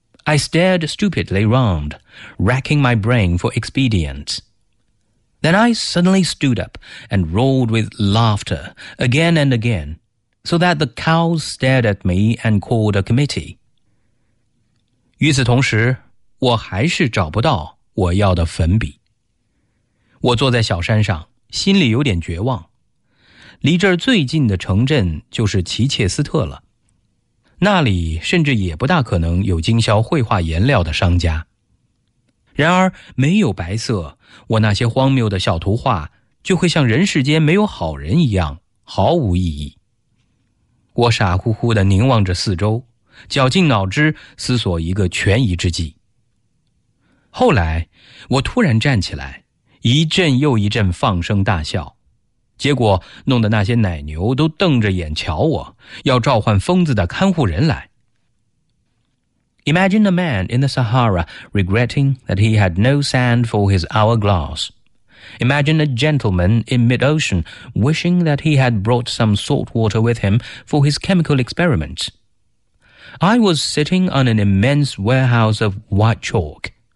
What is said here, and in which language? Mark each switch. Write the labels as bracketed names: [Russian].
[English] I stared stupidly round, racking my brain for expedients. Then I suddenly stood up and roared with laughter again and again, so that the cows stared at me and called a committee. [Chinese] 与此同时，我还是找不到我要的粉笔。我坐在小山上，心里有点绝望。离这儿最近的城镇就是齐切斯特了，那里甚至也不大可能有经销绘画颜料的商家。然而没有白色，我那些荒谬的小图画就会像人世间没有好人一样毫无意义。我傻乎乎地凝望着四周，绞尽脑汁思索一个权宜之计。后来我突然站起来，一阵又一阵放声大笑，结果弄得那些奶牛都瞪着眼瞧我，要召唤疯子的看护人来。 [English] Imagine a man in the Sahara regretting that he had no sand for his hourglass. Imagine a gentleman in mid-ocean wishing that he had brought some salt water with him for his chemical experiments. I was sitting on an immense warehouse of white chalk.